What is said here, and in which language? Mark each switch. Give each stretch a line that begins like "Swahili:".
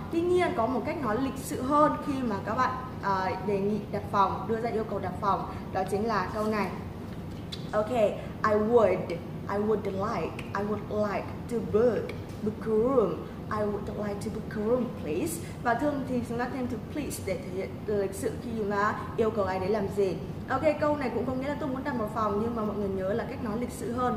Vietnamese: Tuy nhiên có một cách nói lịch sự hơn khi mà các bạn đề nghị đặt phòng, đưa ra yêu cầu đặt phòng, đó chính là câu này.
English: Ok, I would like to book a room. I would like to book a room, please.
Vietnamese: Và thường thì chúng ta thêm từ please để thể hiện lịch sự khi chúng ta yêu cầu ai đấy làm gì. Ok, câu này cũng có nghĩa là tôi muốn đặt một phòng, nhưng mà mọi người nhớ là cách nói lịch sự hơn.